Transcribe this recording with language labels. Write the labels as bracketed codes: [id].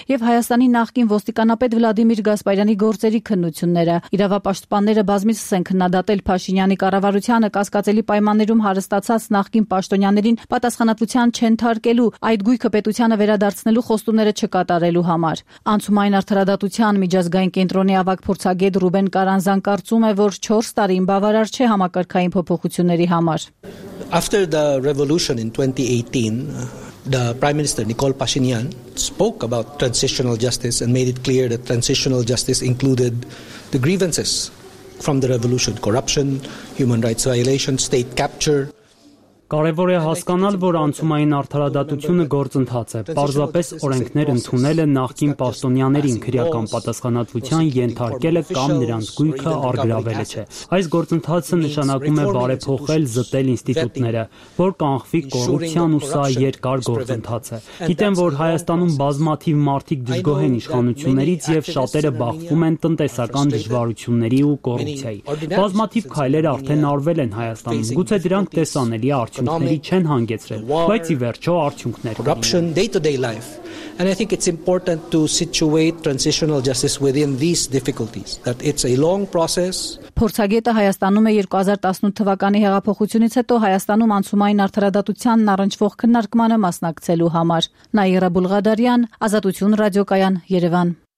[hy] և Հայաստանի նախկին ոստիկանապետ Վլադիմիր Գասպարյանի գործերի քննությունները։ Իրավապաշտպանները բազմիցս են քննադատել Փաշինյանի կառավարությանը կասկածելի պայմաններում հարստացած նախկին պաշտոնյաներին պատասխանատվության չենթարկելու, այդ գույքը պետությանը վերադարձնելու խոստումները չկատարելու համար։ Անցումային արդարադատության միջազգային կենտրոնի ավագ փորձագետ Ռուբեն Կարանզան կարծում է, որ 4 տարին բավարար չէ համակարգային փոփոխությունների համար։ [en] After the revolution in 2018, the Prime Minister Nikol Pashinyan spoke about transitional justice and made it clear that transitional justice included the grievances from the revolution: corruption, human rights violations, state capture. [hy] Կարևոր է հասկանալ, որ անցումային արդարադատությունը գործընթաց է։ Պարզապես օրենքներ ընդունել են նախկին պաշտոնյաներին, քրեական պատասխանատվության ենթարկելը կամ նրանց գույքը արգրավելը չէ։ Այս գործընթացը նշանակում է բարեփոխել զտել ինստիտուտները, որ կանխվի կոռուպցիան, ու սա երկար գործընթաց է։ Գիտեմ, որ Հայաստանում բազմաթիվ մարդիկ դժգոհ են իշխանություններից և շատերը բախվում են տնտեսական դժվարությունների ու կոռուպցիայի։ Բազմաթիվ քայլեր արդեն արվել են Հայաստանում, գուցե դրանք տեսանելի արդյունքների չեն հանգեցրել, բայց ի վերջո արդյունքներ [en] corruption day-to-day life, and I think it's important to situate transitional justice within these difficulties, that it's a long process. [hy] Փորձագետը Հայաստանում է 2018 թվականի հեղափոխությունից հետո Հայաստանում անցումային արդարադատությանն առնչվող քննարկմանը մասնակցելու համար։ Նաիրա Բուլղադարյան, Ազատություն ռադիոկայան, Երևան։